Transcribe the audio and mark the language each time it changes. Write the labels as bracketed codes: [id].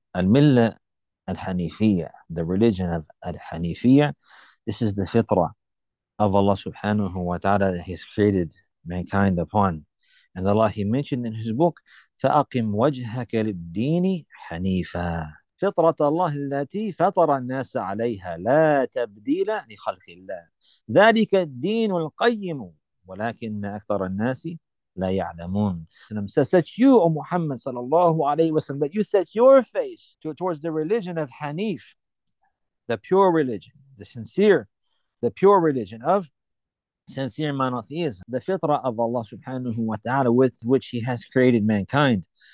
[ar] Al-milla al-hanifiyya, [en] the religion of al-hanifiyya. This is the fitrah of Allah subhanahu wa ta'ala that He has created mankind upon. And Allah, He mentioned in His book, [ar] فَأَقِمْ وَجْهَكَ لِلدِّينِ حَنِيفًا. فطرة الله التي فطر الناس عليها لا تبديل لخلق الله ذلك الدين القيم ولكن أكثر الناس لا يعلمون. [en] So set you, O Muhammad sallallahu alayhi wa sallam, that you set your face towards the religion of Hanif, the pure religion, the sincere, the pure religion of sincere monotheism, the fitra of Allah subhanahu wa ta'ala with which He has created mankind.